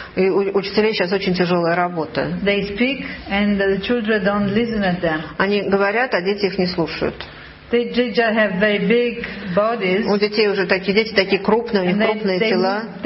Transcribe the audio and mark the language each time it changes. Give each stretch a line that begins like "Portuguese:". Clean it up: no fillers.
Russian: И учителей сейчас очень тяжелая работа.
English: They speak and the children don't listen at them.
Russian: Они говорят, а дети их не слушают. У детей уже такие дети, такие крупные, у них крупные тела.